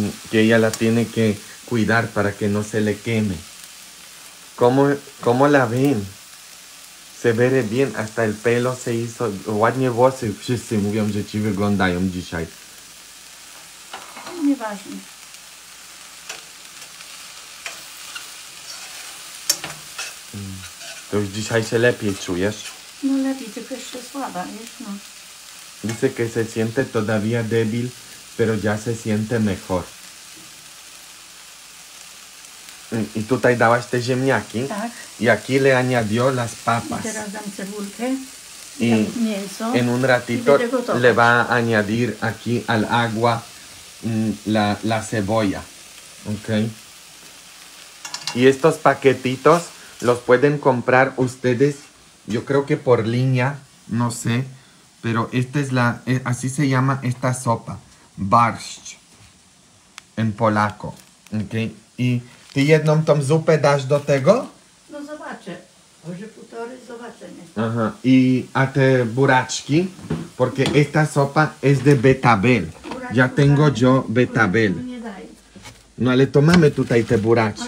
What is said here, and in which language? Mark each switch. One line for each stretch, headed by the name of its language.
Spanish: Que ella la tiene que cuidar para que no se le queme. ¿Cómo la ven? Se ve bien, hasta el pelo se hizo.
Polish: Ładnie włosy. Wszyscy mówią, że ci wyglądają dzisiaj. Nieważne. To już dzisiaj się lepiej czujesz? No lepiej, tylko jeszcze słaba, wiesz, no.
Spanish: Dice que se siente todavía débil, pero ya se siente mejor.
Polish: I tutaj dałaś te ziemniaki? Tak.
Spanish: I aquí le añadió las papas.
Polish: I teraz dam cebulkę. I mięso.
Spanish: En un ratito le va a añadir aquí al agua la cebolla. Ok. I estos paquetitos... Los pueden comprar ustedes, yo creo que por línea, no sé, pero esta es la, así se llama esta sopa, barszcz, en polaco, ok.
Polish: ¿Y ty jedną tą zupę dasz do tego? No zobaczę, może półtory, zobaczę.
Spanish: Ajá, y a te buraczki, porque esta sopa es de betabel, buraczki, ya tengo yo betabel.
Polish: No ale to mamy tutaj te buraczki.